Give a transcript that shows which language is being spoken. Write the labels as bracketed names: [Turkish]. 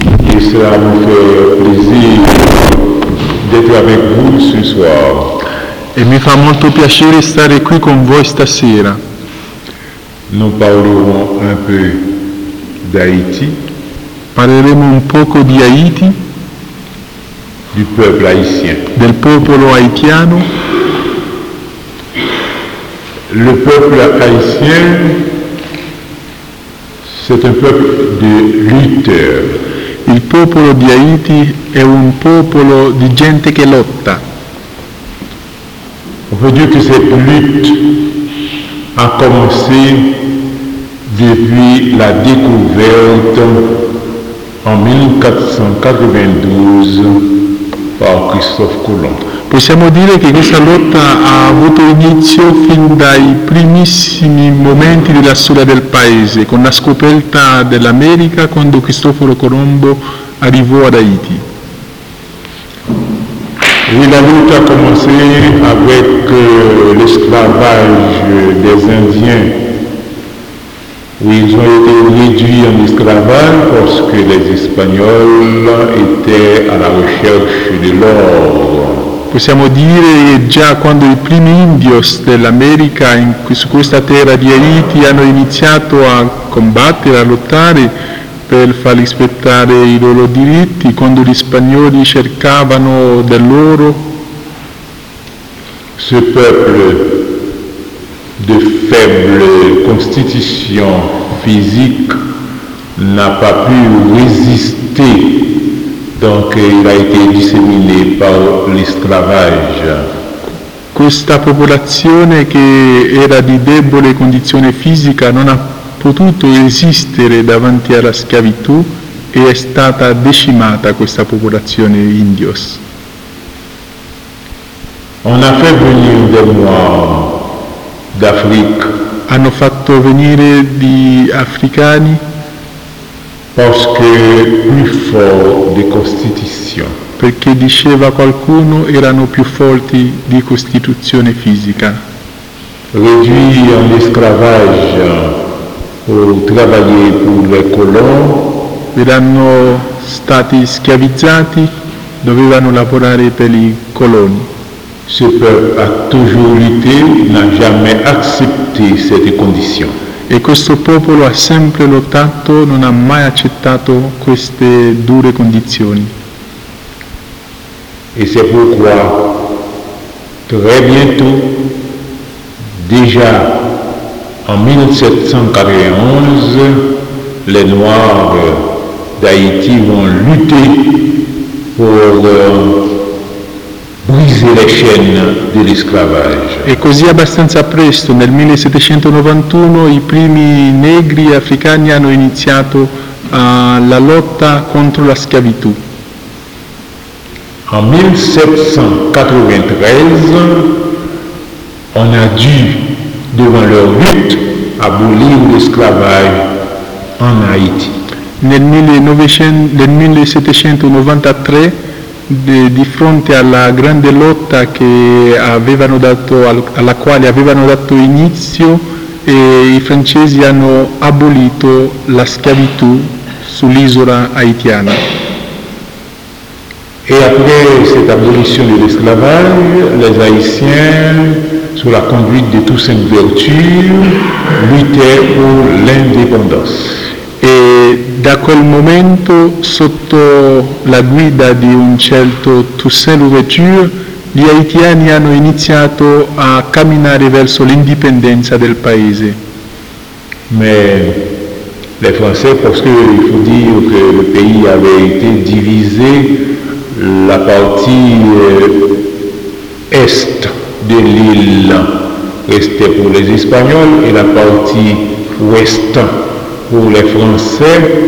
[French] Il [Italian] sarà presidio [French] d'être avec vous ce soir. [Italian] E mi fa molto piacere stare qui con voi stasera. [French] Nous parlerons un peu d'Haïti. [Italian] Parleremo un poco di Haiti. [French] Du peuple haïtien. [Italian] Del popolo haitiano. [French] Le peuple haïtien, c'est un peuple de lutteurs. [Italian] Il popolo di Haiti è un popolo di gente che lotta. [French] On peut dire que cette lutte a commencé depuis la découverte en 1492 par Christophe Colomb. [Italian] Possiamo dire che questa lotta ha avuto inizio fin dai primissimi momenti della storia del paese, con la scoperta dell'America quando Cristoforo Colombo arrivò ad Haiti. E la lotta ha cominciato [French] avec l'esclavage des Indiens, où ils ont été réduits en esclavage parce que les Espagnols étaient à la recherche de l'or. [Italian] Possiamo dire che già quando i primi indios dell'America su questa terra di Haiti hanno iniziato a combattere, a lottare per far rispettare i loro diritti, quando gli spagnoli cercavano dell'oro. [French] Ce peuple de faible constitution physique n'a pas pu résister. Donc il a été disséminé par l'esclavage. [Italian] Questa popolazione che era di debole condizione fisica non ha potuto resistere davanti alla schiavitù e è stata decimata questa popolazione indios. [French] On a fait venir des noirs d'Afrique. [Italian] Hanno fatto venire gli africani. [French] Parce que plus fort de costituzione. [Italian] Perché diceva qualcuno erano più forti di costituzione fisica. [French] Réduit en esclavage pour travailler pour les colons. [Italian] Erano stati schiavizzati, dovevano lavorare per i coloni. [French] Ce peuple a toujours lutté, n'a jamais accepté cette condition. [Italian] E questo popolo ha sempre lottato, non ha mai accettato queste dure condizioni. [French] E c'est pourquoi très bientôt, déjà en 1791, les Noirs d'Haïti vont lutter pour briser les chaînes de l'esclavage. [Italian] E così abbastanza presto, nel 1791, i primi negri africani hanno iniziato la lotta contro la schiavitù. [French] En 1793, on a dû, devant leur lutte, abolir l'esclavage en Haïti. [Italian] Nel 1793, di fronte alla grande lotta che avevano dato alla quale avevano dato inizio, e i francesi hanno abolito la schiavitù sull'isola haitiana. [French] E après cette abolition de l'esclavage, les Haïtiens, sous la conduite de Toussaint Louverture, luttaient pour l'indépendance. [Italian] E da quel momento, sotto la guida di un certo Toussaint Louverture, gli haitiani hanno iniziato a camminare verso l'indipendenza del paese. [French] Mais les Français, parce que il faut dire que le pays avait été divisé la partie est de l'île restait pour les Espagnols et la partie ouest pour les Français.